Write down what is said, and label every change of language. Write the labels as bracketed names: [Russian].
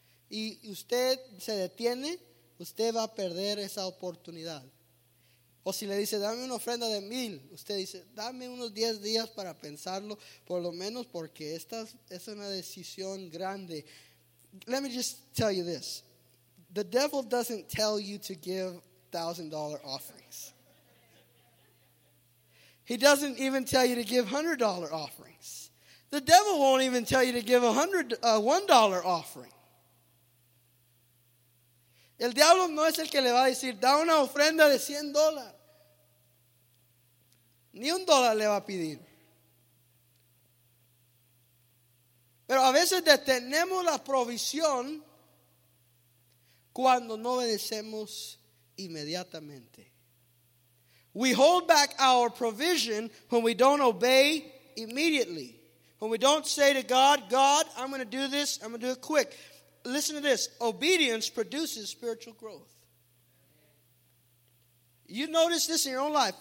[Spanish] Y usted se detiene, usted va a perder esa oportunidad. O si le dice, dame una ofrenda de $1,000. Usted dice, dame unos 10 días para pensarlo, por lo menos porque esta es una decisión grande. [English] Let me just tell you this. The devil doesn't tell you to give $1,000 offerings. He doesn't even tell you to give $100 offerings. The devil won't even tell you to give $1 offering. [Spanish] El diablo no es el que le va a decir, da una ofrenda de $100. Ni un dólar le va a pedir. Pero a veces detenemos la provisión cuando no obedecemos inmediatamente. [English] We hold back our provision when we don't obey immediately. When we don't say to God, God, I'm going to do this. I'm going to do it quick. Listen to this. Obedience produces spiritual growth. You notice this in your own life.